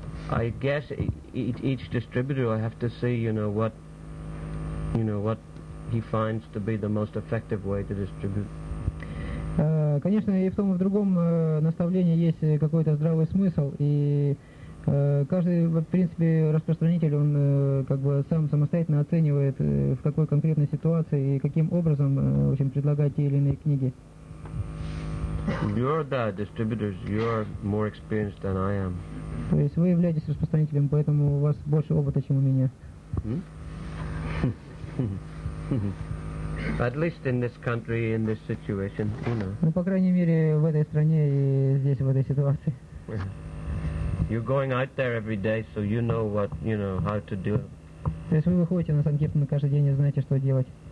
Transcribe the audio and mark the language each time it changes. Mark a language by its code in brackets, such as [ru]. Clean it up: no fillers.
[en] I guess each distributor will have to see, what he finds to be the most effective way to distribute. [ru] Конечно, и в том, и в другом наставлении есть какой-то здравый смысл, и каждый, в принципе, распространитель, он как бы сам самостоятельно оценивает, в какой конкретной ситуации и каким образом, в общем, предлагать те или иные книги. [en] You're the distributors, you're more experienced than I am. [ru] То есть вы являетесь распространителем, поэтому у вас больше опыта, чем у меня. [en] At least in this country, in this situation, you know. [ru] Ну, по крайней мере, в этой стране и здесь, в этой ситуации. [en] You're going out there every day, so you know what, you know, how to do. [ru] То есть вы выходите на Санкт-Петербург каждый день и знаете, что делать.